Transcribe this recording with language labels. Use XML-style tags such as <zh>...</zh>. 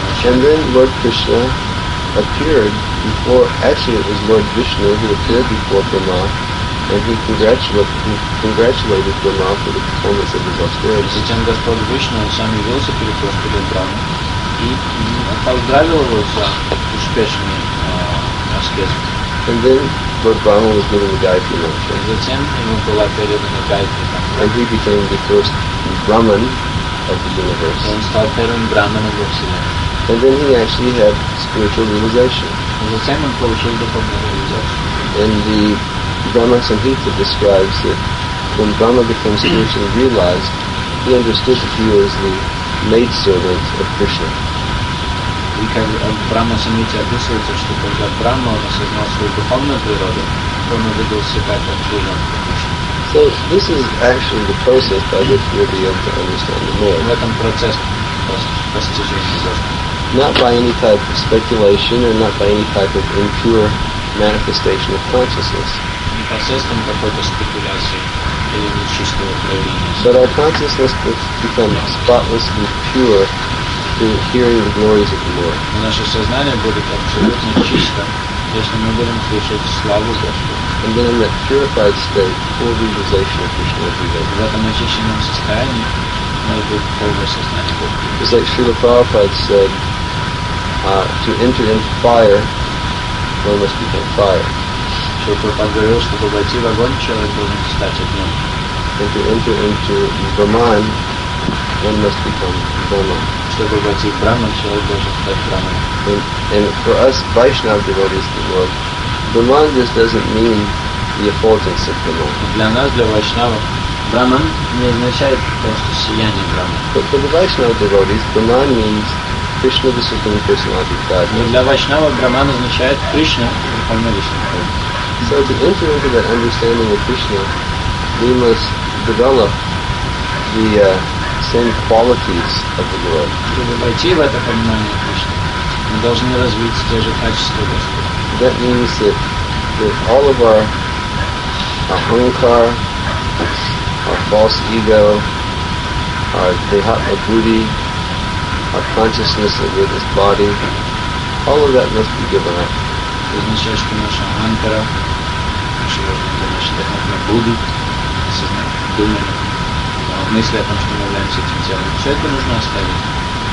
<en>And then Lord Krishna appeared before, actually it was Lord Vishnu who appeared before Brahma. And he congratulated Brahma for the performance of his austerity.</en> <ru>Затем Господь Вишну сам явился перед Господом Брахмой и поздравил его за успешный аскез.</ru> <en>And then Lord Brahma was given the Gayatri Mantra.</en> <ru>Затем ему была передана Gayatri Mantra.</ru> <en>And he became the first Brahman of the universe.</en> <ru>Он стал первым Брахманом во Вселенной.</ru> <en>And then he actually had spiritual realization.</en> <ru>Затем он получил духовную реализацию.</ru> <en>And the Brahma Samhita describes that when Brahma becomes spiritually realized, he understood that he was the maidservant of Krishna.</en> <ru>И как Брахма Самхите описывается, что когда Брахма осознал свою духовную природу, он увидел себя как служанку Кришны.</ru> <en>So this is actually the process by which we are able to understand the Lord.</en> <ru>В этом процессе постижения Господа.</ru> <en>Not by any type of speculation or not by any type of impure manifestation of consciousness.</en> <ru>Непосредственно какой-то спекуляции или нечистого проявления.</ru> <en>But our consciousness becomes spotless and pure through hearing the glories of the Lord.</en> <ru>Но наше сознание будет абсолютно чисто, если мы будем слышать славу Господа.</ru> <en>And then in that purified state, full realization of Krishna will be there.</en> <ru>В этом очищенном состоянии</ru> <en>it's like Srila Prabhupada said, to enter into fire, one must become fire.</en> <ru>Srila Prabhupada говорил, чтобы войти в огонь, человек должен стать огнем.</ru> <en>And to enter into Brahman, one must become Brahman.</en> <ru>Чтобы войти в Брахман, человек должен стать Брахман.</ru> <en>And for us, Vaishnava devotees of the world, Brahman just doesn't mean the effulgence of Brahman.</en> <ru>Для нас, для Вайшнава, Brahman не означает просто сияние Brahman.</ru> <en>But for the Vaishnava devotees, Brahman means Krishna, the Supreme Personality of Godhead.</en> <ru>Но для Вайшнава Brahman означает Кришна, Верховная Личность.</ru> <en>So to enter into that understanding of Krishna, we must develop the same qualities of the world.</en> <ru>Чтобы войти в это понимание Кришны, мы должны развить те же качества Господа.</ru> <en>That means that all of our ahankar, our false ego, our dehatma buddhi, our consciousness that we're this body, all of that must be given up. It means that our ahankara, our dehatma buddhi, our thoughts about that we are this body, all of that must be given up.</en>